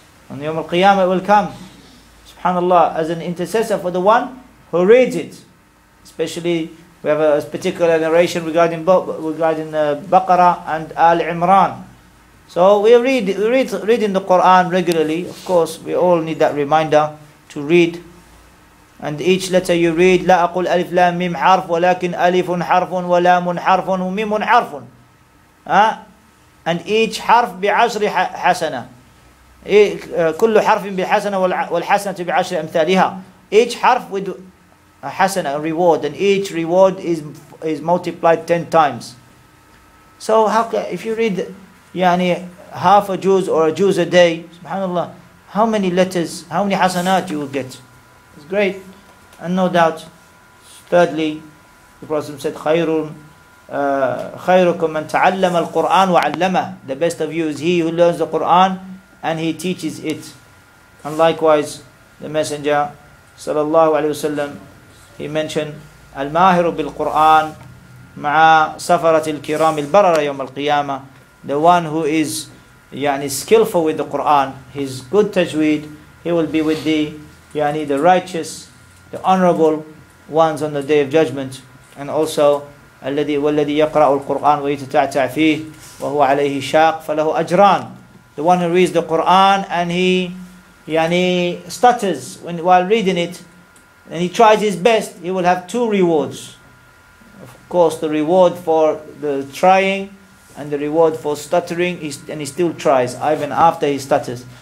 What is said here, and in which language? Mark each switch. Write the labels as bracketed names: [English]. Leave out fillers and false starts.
[English] On the يوم القيامة it will come, subhanAllah, as an intercessor for the one who reads it. Especially we have a particular narration regarding Baqarah and Al Imran. So we read the Quran regularly. Of course, we all need that reminder to read. And each letter you read, [Arabic] لا أقول ألف لام ميم حرف ولكن ألف حرف ولام حرف وميم حرف. [English] And each [Arabic] حرف بعشر حسنة. كل حرف بحسنة والحسنة بعشر أمثالها. [English] Each حرف with a hasana, a reward, and each reward is multiplied 10 times. So how, if you read يعني half a juz or a juz a day, subhanAllah, how many letters, how many hasanat you will get? It's great. And no doubt, thirdly, the Prophet said, [Arabic] خيركم من تعلم القرآن وعلمه. [English] The best of you is he who learns the Quran and he teaches it. And likewise, the Messenger sallallahu alayhi wa sallam, he mentioned, [Arabic] الماهر بالقرآن مع سفرة الكرام البررة يوم القيامة. [English] The one who is يعني skillful with the Quran, his good tajweed, he will be with the يعني the righteous, the honorable ones on the day of judgment. And also [Arabic] الذي والذي يقرا القران ويتتعتع فيه وهو عليه شاق فله اجران. [English] The one who reads the Quran and he يعني stutters when while reading it and he tries his best, he will have two rewards. Of course, the reward for the trying and the reward for stuttering, and he still tries even after he stutters.